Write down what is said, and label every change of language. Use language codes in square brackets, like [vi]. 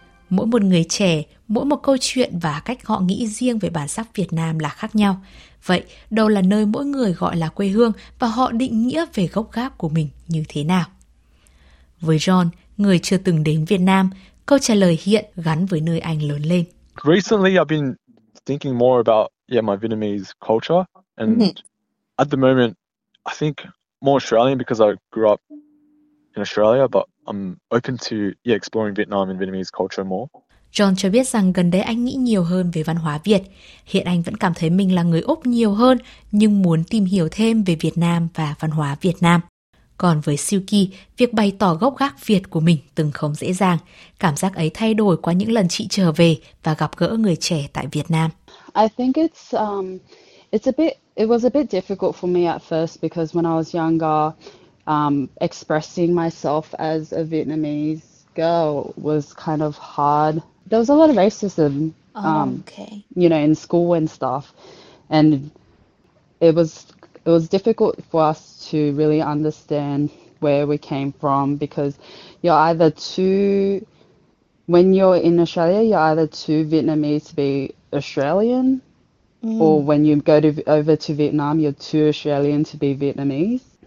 [vi] Mỗi một người trẻ, mỗi một câu chuyện và cách họ nghĩ riêng về bản sắc Việt Nam là khác nhau. Vậy, đâu là nơi mỗi người gọi là quê hương và họ định nghĩa về gốc gác của mình như thế nào? Với John, người chưa từng đến Việt Nam, câu trả lời hiện gắn với nơi anh lớn lên. [en] Recently, I've been thinking more about my Vietnamese culture, and at the moment, I think more Australian because I grew up in Australia, but I'm open to exploring Vietnam and Vietnamese culture more. [vi] John cho biết rằng gần đây anh nghĩ nhiều hơn về văn hóa Việt. Hiện anh vẫn cảm thấy mình là người Úc nhiều hơn, nhưng muốn tìm hiểu thêm về Việt Nam và văn hóa Việt Nam. Còn với Suki, việc bày tỏ gốc gác Việt của mình từng không dễ dàng. Cảm giác ấy thay đổi qua những lần chị trở về và gặp gỡ người trẻ tại Việt Nam. [en] I think it was a bit difficult for me at first because when I was younger, expressing myself as a Vietnamese girl was kind of hard. There was a lot of racism, in school and stuff, and it was difficult for us to really understand where we came from because you're either too, when you're in Australia, you're either too Vietnamese to be Australian, or when you go over to Vietnam, you're too Australian to be Vietnamese.